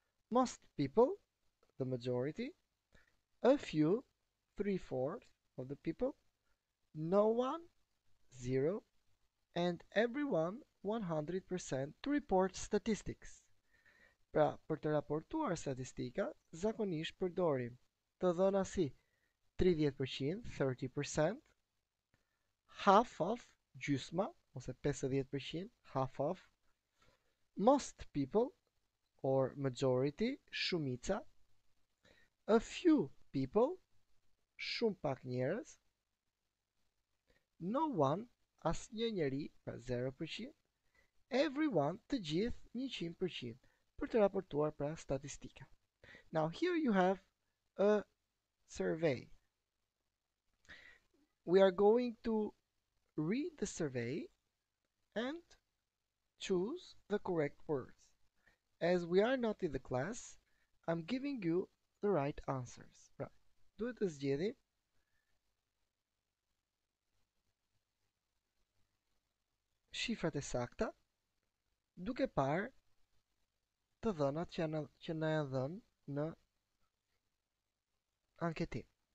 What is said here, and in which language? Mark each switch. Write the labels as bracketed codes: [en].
[en] Most people, the majority, a few, 3/4 of the people, no one, zero, and everyone, 100% to report statistics. [sq] Pra, për të raportuar statistika, zakonisht përdorim të dhëna si 30%, 30%, [en] half of, [sq] gjysma, ose 50%, [en] half of, most people, or majority, [sq] shumica, [en] a few people, [sq] shumë pak njerëz, [en] no one, [sq] asnjë njeri, pra 0%, [en] everyone, [sq] të gjithë, 100%, për të raportuar pra statistika. [en] Now, here you have a survey. We are going to read the survey and choose the correct words. As we are not in the class, I'm giving you the right answers. Right. [sq] Duhet të zgjedhim shifrat e sakta duke parë të dhënat që na janë dhënë në anketim.